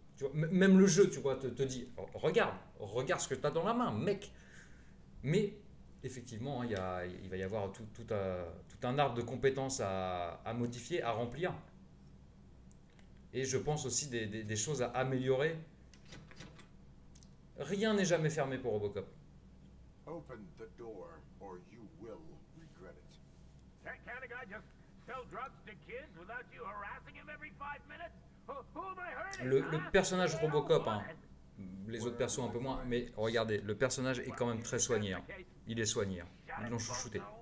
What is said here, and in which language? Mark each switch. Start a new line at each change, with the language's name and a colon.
French: Tu vois, même le jeu, tu vois, te dit, regarde, regarde ce que tu as dans la main, mec. Mais effectivement, hein, il va y avoir tout un arbre de compétences à modifier, à remplir. Et je pense aussi des choses à améliorer. Rien n'est jamais fermé pour Robocop.
English: Open the door or you will regret it. That kind of guy just sell drugs to kids without you harassing him every 5 minutes. Who am I hurting?
French: Le personnage Robocop, hein, les autres persos un peu moins, mais regardez, le personnage est quand même très soigné. Hein. Il est soigné. Ils l'ont chouchouté.